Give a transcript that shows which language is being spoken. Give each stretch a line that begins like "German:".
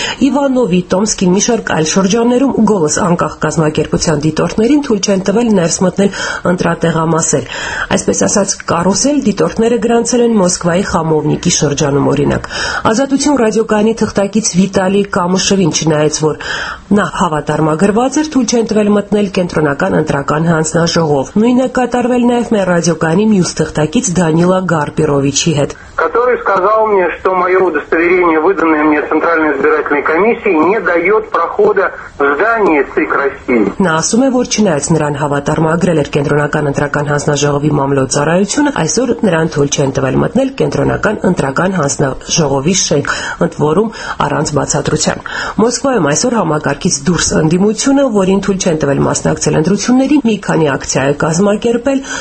Armenian: Իվանովի, Տոմսկի, Միշարկ այլ շրջաններում Գոլոս անկախ կազմակերպության դիտորդներին թույլ չեն տվել ներս մտնել ընտրատեղամասեր։ Այսպես ասած, կարուսել դիտորդները գրանցել են Մոսկվայի Խամովնիկի շրջանում, օրինակ։ Ազատություն ռադիոկայանի թղթակից Վիտալի Կամուշևին, չնայած որ նա հավատարմագրված էր, թույլ չեն տվել մտնել կենտրոնական ընտրական հանձնաժողով։ Նույնը կատարվել նաև մեր ռադիոկայանի մյուս թղթակից Դանիլա Գարպիրովիչի հետ,
Russian: который сказал мне, что моё удостоверение, выданное мне Центральной избирательной комиссией, не даёт прохода в здание ЦИК России.
Armenian: Նա ասում է, որ չնայած նրան հավատարմագրել էր կենտրոնական ընտրական հանձնաժողովի մամլոցարայությունը, այսօր նրան թույլ չեն տվել մտնել կենտրոնական ընտրական հանձնաժողովի շենք, ընդ որում առանց բացատրության։ Մոսկվայում այսօր համակարգից դուրս ընդդիմությունը, որին թույլ չեն տվել մասնակցել ընտրությունների, մի քանի ակցիա է կազմակերպել,